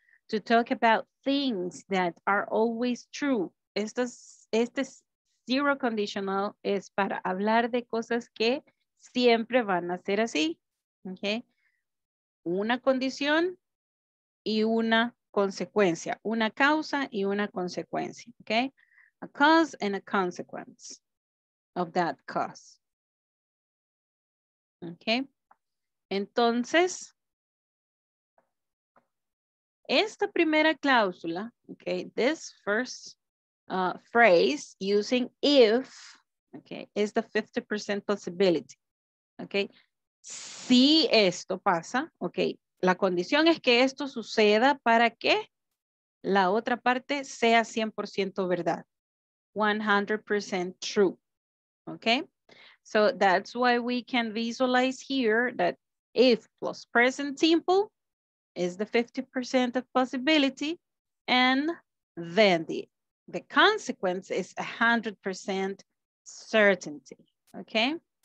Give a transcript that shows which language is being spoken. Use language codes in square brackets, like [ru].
[en] To talk about things that are always true. [es] Este zero conditional es para hablar de cosas que siempre van a ser así. Okay? Una condición y una consecuencia. Una causa y una consecuencia. Okay? [en] A cause and a consequence of that cause. Okay? [es] Entonces, esta primera cláusula, [en] okay, this first phrase using if, okay, is the 50% possibility, okay? [es] Si esto pasa, okay, la condición es que esto suceda para que la otra parte sea 100% verdad, [en] 100% true, [es] okay? [en] So that's why we can visualize here that if plus present simple is the 50% of possibility, and then the consequence is 100% certainty, okay?